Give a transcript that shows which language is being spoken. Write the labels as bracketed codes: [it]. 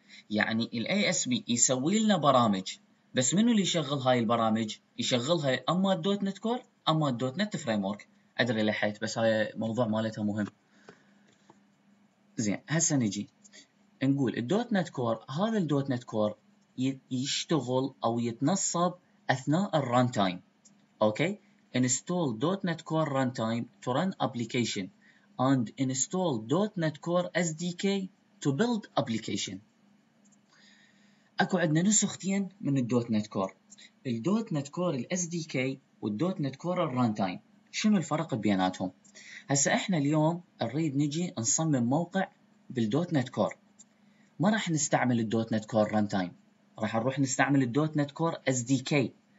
[ar] يعني الاي اس بي يسوي لنا برامج، بس منو اللي يشغل هاي البرامج؟ يشغلها اما الدوت نت كور اما الدوت نت فريم ورك. ادري لحيت بس هاي موضوع مالتها مهم. زين هسه نجي نقول الدوت نت كور، هذا الدوت نت كور يشتغل او يتنصب اثناء الران تايم اوكي. [en] install dot net core runtime to run application and install dot net core sdk to build application. [ar] اكو عندنا نسختين من الدوت نت كور، الدوت نت كور الاس دي كي والدوت نت كور الران تايم. شنو الفرق بيناتهم؟ هسه احنا اليوم نريد نجي نصمم موقع بالدوت نت كور، ما راح نستعمل الدوت نت كور ران تايم، راح نروح نستعمل الدوت نت كور اس دي كي.